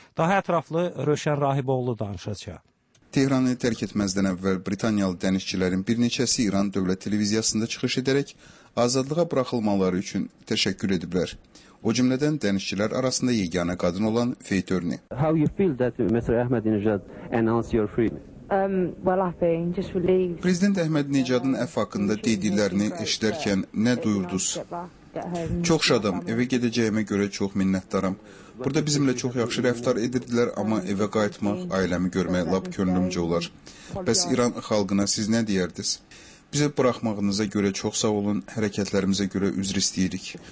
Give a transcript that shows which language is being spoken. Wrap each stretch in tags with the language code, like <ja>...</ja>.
<az>Daha ətraflı Rövşən Rahiboğlu danışacaq. Tehranı tərk etməzdən əvvəl Britaniyalı dənizçilərin bir neçəsi İran dövlət televiziyasında çıxış edərək azadlığa buraxılmaları üçün təşəkkür ediblər. O cümlədən dənizçilər arasında yeganə qadın olan Faith Turney.</az> <en>How you feel that Mr. Ahmed Nejad announced your freedom?</en> <az>Prezident Əhməd Nejadın əf haqqında dediklərini eşidərkən nə duyurdunuz? Çox şadam, evə gedəcəyimə görə çox minnətdaram. Burada bizimlə çox yaxşı rəftar edirdilər, amma evə qayıtmaq, ailəmi görmək lap könlümcə olar. Bəs İran xalqına siz nə deyərdiniz? Bizə buraxmağınıza görə çox sağ olun, hərəkətlərimizə görə üzr istəyirik.</az>